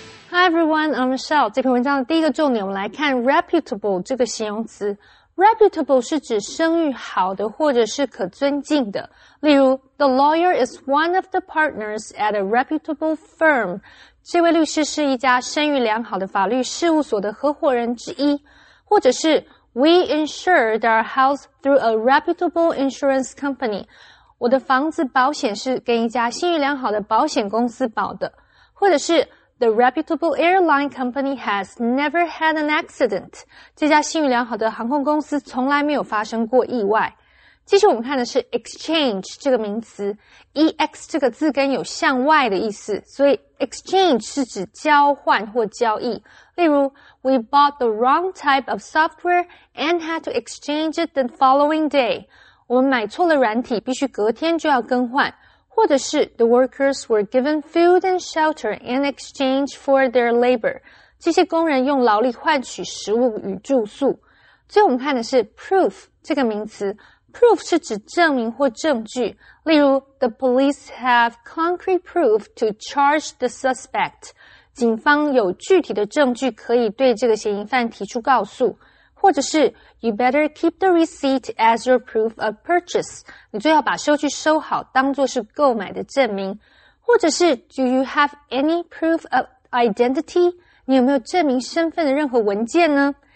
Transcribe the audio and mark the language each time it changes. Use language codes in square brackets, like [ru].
[en] Hi everyone, I'm Michelle. [zh] 这篇文章的第一个重点，我们来看 reputable 这个形容词。 Reputable 是指声誉好的或者是可尊敬的。例如 [en] ,the lawyer is one of the partners at a reputable firm. [zh] 这位律师是一家声誉良好的法律事务所的合伙人之一。或者是 [en] ,we insured our house through a reputable insurance company. [zh] 我的房子保险是跟一家信誉良好的保险公司保的。或者是 [en] The reputable airline company has never had an accident. [zh] 这家信誉良好的航空公司从来没有发生过意外。接下来我们看的是 exchange 这个名词。EX 这个字根有向外的意思，所以 exchange 是指交换或交易。例如 [en] ,we bought the wrong type of software and had to exchange it the following day. [zh] 我们买错了软体，必须隔天就要更换。或者是 [en] ,the workers were given food and shelter in exchange for their labor. [zh] 这些工人用劳力换取食物与住宿。最后我们看的是 proof 这个名词。proof 是指证明或证据。例如 [en] ,the police have concrete proof to charge the suspect. [zh] 警方有具体的证据可以对这个嫌疑犯提出告诉。或者是 [en] ,you better keep the receipt as your proof of purchase. [zh] 你最好把收据收好当作是购买的证明。或者是 [en] ,do you have any proof of identity? [zh] 你有没有证明身份的任何文件呢?